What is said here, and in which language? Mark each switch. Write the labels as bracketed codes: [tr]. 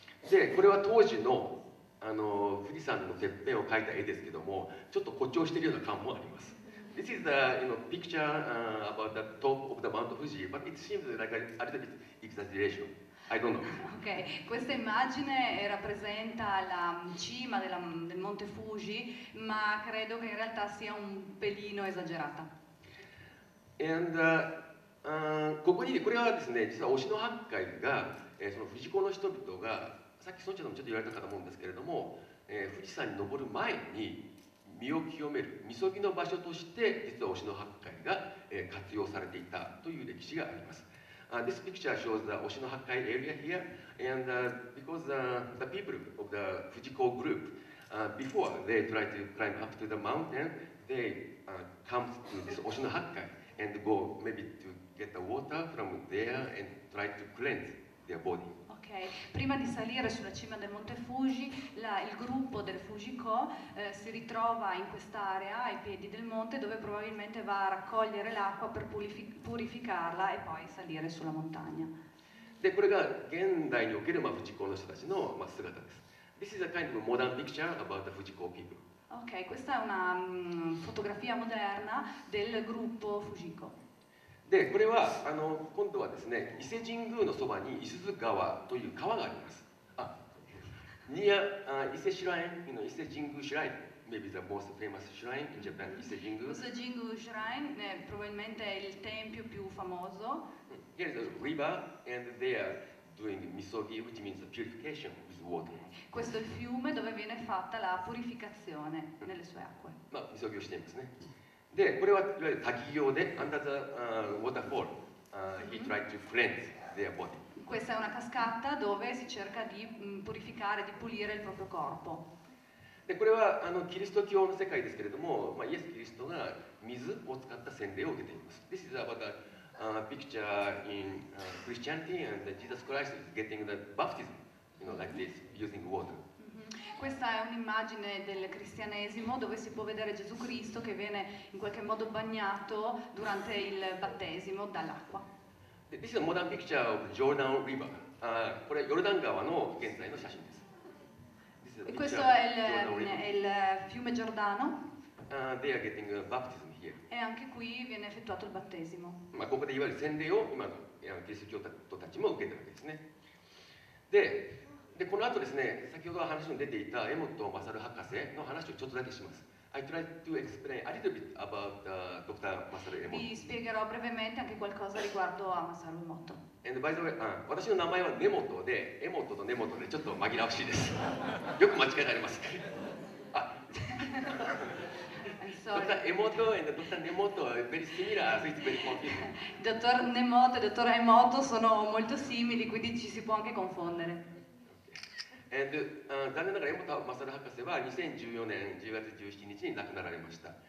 [ja] で、これは当時の富士山のてっぺんを描いた絵ですけども、ちょっと誇張しているような感もあります。 [en] This is the, you know, picture about the top of the Mount Fuji, but it seems like a little bit exaggeration. I don't know. [it] Ok, questa immagine rappresenta la cima del Monte Fuji, ma credo che in realtà sia un pelino esagerata. [ja] And, ここにこれはですね、実は忍野八海が、その富士講の人々が、さっき村長でもちょっと言われたかと思うんですけれども、富士山に登る前に身を清める、禊の場所として、実は忍野八海が、活用されていたという歴史があります。 [en] This picture shows the 忍野八海 area here, and because the people of the Fujiko group, before they try to climb up to the mountain, they come to this 忍野八海 and go maybe to get the water from there and try to cleanse their body. Okay. [it] Prima di salire sulla cima del Monte Fuji, il gruppo del Fujiko si ritrova in quest'area ai piedi del monte, dove probabilmente va a raccogliere l'acqua per purificarla e poi salire sulla montagna. [ja] で、これが現代における、まあ、富士講の人たちの、まあ、姿です。 [en] This is a kind of modern picture about the Fujiko people. [it] Okay, questa è una fotografia moderna del gruppo Fujiko. [ja] で、これは今度はですね、伊勢神宮のそばに伊豆津川という川があります。 [en] 伊勢シュライン、伊勢神宮シュライン、maybe the most famous shrine in Japan, 伊勢神宮。 [it] 伊勢神宮シュライン、ね、probabilmente il tempio più famoso. [en] Here is a river, and they are doing misogi, which means purification with water. [it] Questo è il fiume dove viene fatta la purificazione nelle sue acque. [ja] まあ、misogi をしていますね。で、これはいわゆる滝行で、 [en] under the waterfall he tried to cleanse their body. [it] Questa è una cascata dove si cerca di purificare, di pulire il proprio corpo. E quello è [ja] キリスト教の世界ですけれども、まあイエスキリストが水を使った洗礼を受けています。 [en] This is about a picture in Christianity and Jesus Christ is getting the baptism, you know, like this, using water. [it] Questa è un'immagine del cristianesimo dove si può vedere Gesù Cristo che viene in qualche modo bagnato durante il battesimo dall'acqua. [en] This is a modern picture of Jordan River. [ja] これはヨルダン川の現在の写真です。 [it] E questo è il fiume Giordano. [en] They are getting a baptism here. [it] E anche qui viene effettuato il battesimo. [ja] Ma ここでいわゆる洗礼を今のキリスト教たちも受けてるわけですね。でこの後ですね、先ほど話に出ていた江本勝博士の話をちょっとだけします。 [en] I try to explain a little bit about Dr. Masaru Emoto. [it] Vi spiegherò brevemente anche qualcosa riguardo a Masaru Emoto. [en] And by the way, [ja] 私の名前は根本で、江本と根本でちょっと紛らわしいです。よく間違えられます。 [en] Dr. Emoto and Dr. Nemoto are very similar, so it's very confusing. [it] Dottor Nemoto e Dottor Emoto sono molto simili, quindi ci si può anche confondere. [ja] And, 残念ながら江本勝博士は2014年10月17日に亡くなられました。